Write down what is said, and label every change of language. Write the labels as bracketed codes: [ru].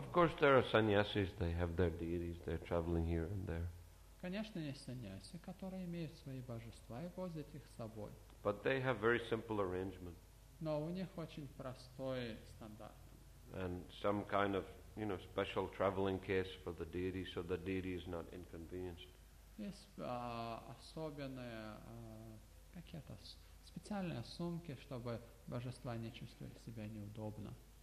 [en] Of course, there are sannyasis; they have their deities. They're traveling here and there. [ru] Конечно, есть саньяси, которые имеют свои божества и возят их с собой. [en] But they have very simple arrangement. [ru] Но у них очень простой стандарт. [en] And some kind of, you know, special traveling case for the deity, so the deity is not inconvenienced. Yes, [ru] особенные какие-то специальные сумки, чтобы божества не чувствовали себя неудобно.